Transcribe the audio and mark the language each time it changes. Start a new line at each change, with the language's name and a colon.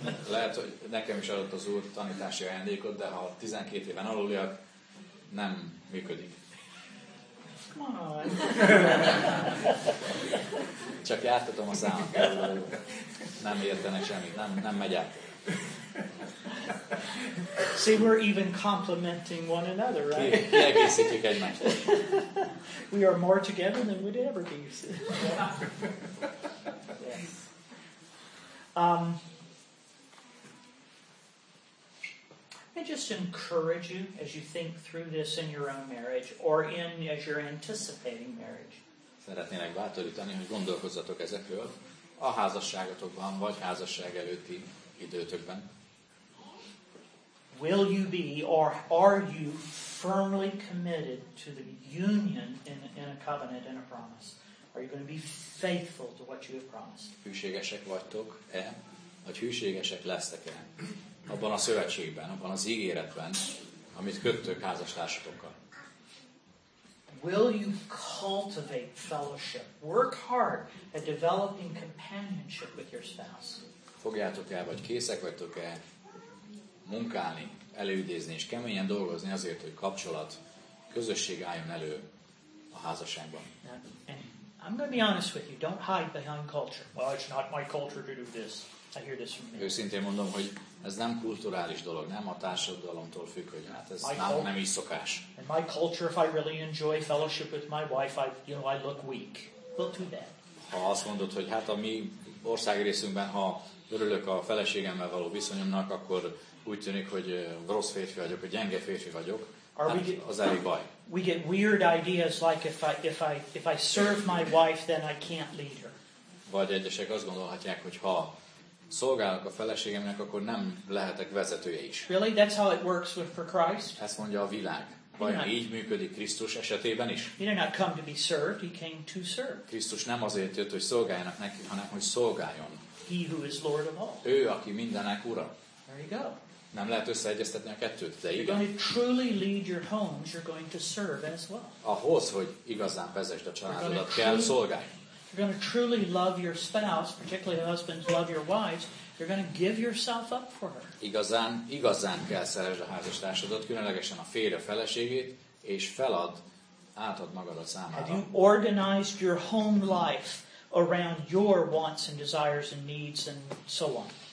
Hungarian: lehet, hogy nekem is adott az Úr tanítási ajándékot, de ha 12 éven aluliak, nem működik.
English: Come on.
Hungarian: Csak jártatom a számokat. Nem értenek semmit, nem megy át.
English: See, we're even complimenting one another, right?
Hungarian: Kiegészítjük egymást.
English: We are more together than we'd ever be. Yes. I just encourage you as you think through this in your own marriage or in as you're anticipating marriage.
Hungarian: Szeretnének bátorítani, hogy gondolkozzatok ezekről a házasságotokban vagy házasság előtti időtökben.
English: Will you be or are you firmly committed to the union in a covenant and a promise? Are you going to be faithful to what you have promised?
Hungarian: Hűségesek vagytok-e? Vagy hűségesek lesztek-e abban a szövetségben, abban az ígéretben, amit köttök házastársatokkal?
English: Will you cultivate fellowship? Work hard at developing companionship with your spouse.
Hungarian: Fogjátok-e, vagy készek vagytok-e munkálni, előidézni és keményen dolgozni azért, hogy kapcsolat, közösség álljon elő a házasságban.
English: I'm going to be honest with you. Don't hide behind culture. Well, it's not my culture to do this. I hear this from me.
Hungarian: Őszintén mondom, hogy ez nem kulturális dolog, nem a társadalomtól függ, hogy hát ez nálunk nem is szokás.
English: In my culture, if I really enjoy fellowship with my wife, I look weak. We'll do that.
Hungarian: Ha azt mondod, hogy hát a mi országrészünkben, ha örülök a feleségemmel való viszonyomnak, akkor úgy tűnik, hogy rossz férfi vagyok, hogy gyenge férfi vagyok. Az elég baj.
English: We get weird ideas like if I serve my wife, then I can't lead her.
Hungarian: Vagy egyesek azt gondolhatják, hogy ha szolgálok a feleségemnek, akkor nem lehetek vezetője is.
English: Really? That's how it works with for Christ?
Hungarian: Ezt mondja a világ. Vajon így működik Krisztus esetében is?
English: He did not come to be served, he came to serve.
Hungarian: Krisztus nem azért jött, hogy szolgáljanak neki, hanem hogy szolgáljon.
English: He who is Lord of all.
Hungarian: Ő, aki mindenek ura.
English: There you go.
Hungarian: Nem lehet összeegyeztetni a kettőt, de igen.
English: You're going to truly lead your homes, you're going to serve as well.
Hungarian: Ahhoz, hogy igazán vezesd a családodat, kell szolgálni.
English: You're going to truly love your spouse, particularly husbands love your wives, you're going to give yourself up for her.
Hungarian: Igazán kell szeresd a házastársadat, különlegesen a férje, a feleségét, és felad, átad magadat számára.
English: Have you organized your home life around your wants and desires and needs and so on?